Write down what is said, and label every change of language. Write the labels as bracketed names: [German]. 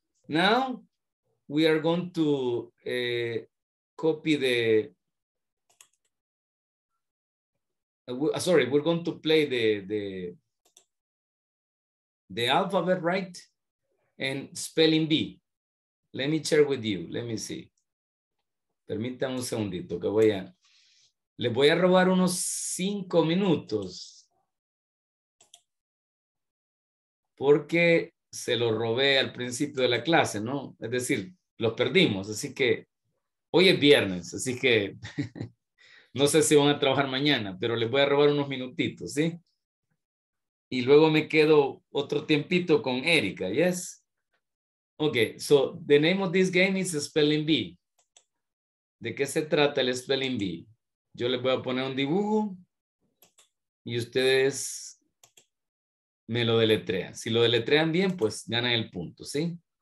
[English] Now, we are going to copy the, we're going to play the alphabet, right? And spelling B. Let me share with you, let me see. [Spanish] Permítame un segundito que voy a, les voy a robar unos 5 minutos. Porque se lo robé al principio de la clase, ¿no? Es decir, los perdimos. Así que hoy es viernes, así que no sé si van a trabajar mañana, pero les voy a robar unos minutitos, ¿sí? Y luego me quedo otro tiempito con Erika, ¿yes? [English] Okay, so the name of this game is Spelling Bee. [Spanish] ¿De qué se trata el Spelling Bee? Yo les voy a poner un dibujo y ustedes me lo deletrean. Si lo deletrean bien, pues ganan el punto, ¿sí?